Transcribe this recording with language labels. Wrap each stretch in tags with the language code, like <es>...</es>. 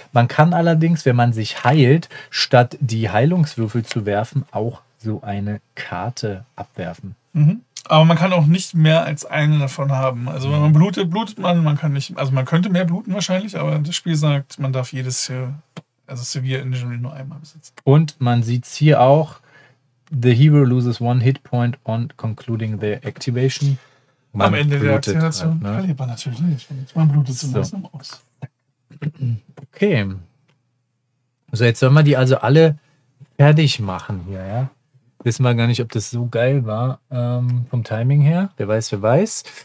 <de>Man kann allerdings, wenn man sich heilt, statt die Heilungswürfel zu werfen, auch so eine Karte abwerfen. Mhm. Aber man kann auch nicht mehr als eine davon haben. Also wenn man blutet, blutet man. Man kann nicht, also man könnte mehr bluten wahrscheinlich, aber das Spiel sagt, man darf jedes hier. Also Severe Injury nur einmal besitzt. Und man sieht es hier auch.</de> <en>The hero loses one hit point on concluding the activation.</en> <de>Man am Ende der Aktivation verliert man natürlich nicht. Man blutet zumindest noch aus. Okay. So, jetzt sollen wir die also alle fertig machen hier, ja? Wissen wir gar nicht, ob das so geil war vom Timing her. Wer weiß, wer weiß.</de>